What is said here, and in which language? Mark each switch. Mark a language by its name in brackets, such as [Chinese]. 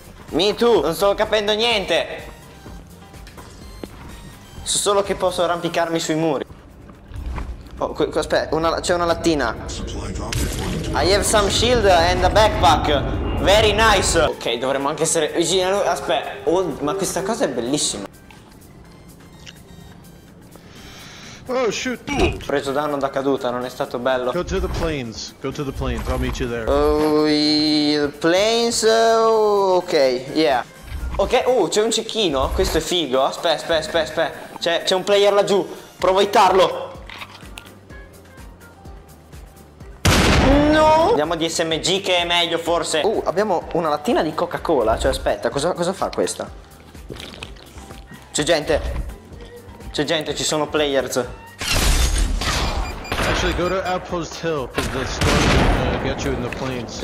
[English] Me too, [Italian] non sto capendo niente. So solo che posso arrampicarmi sui muri. Oh, aspetta, c'è una lattina. [English] I have some shield and a backpack. Very nice. [Italian] Ok, dovremmo anche essere vicini a lui. Aspetta, oh, ma questa cosa è bellissima. [English] Oh shoot. [Italian] Ho preso danno da caduta, non è stato bello. [English] Go to the plains. Go to the plains. I'll meet you there. The plains. Ok, yeah. [Italian] Ok, c'è un cecchino. Questo è figo. Aspetta. C'è un player laggiù. Provo a hitarlo. No. Andiamo di SMG che è meglio forse. Abbiamo una lattina di Coca-Cola. Cioè, aspetta, cosa fa questa? C'è gente, ci sono players. [English] Actually go to Outpost Hill, because the storm can get you in the plains.